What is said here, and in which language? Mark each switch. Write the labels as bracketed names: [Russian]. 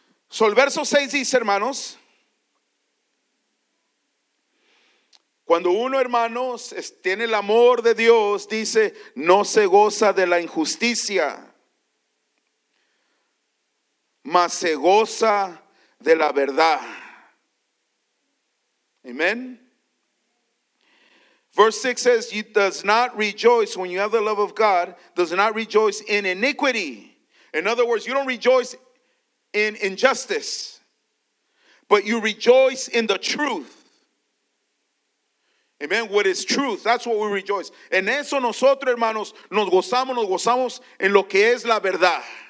[Spanish] So el verso 6 dice, hermanos, cuando uno, hermanos, tiene el amor de Dios, dice, no se goza de la injusticia, mas se goza de la verdad. Amen. [English] Verse 6 says, he does not rejoice when you have the love of God, does not rejoice in iniquity. In other words, you don't rejoice in injustice, but you rejoice in the truth. Amen. What is truth? That's what we rejoice. [Spanish] En eso nosotros, hermanos, nos gozamos en lo que es la verdad.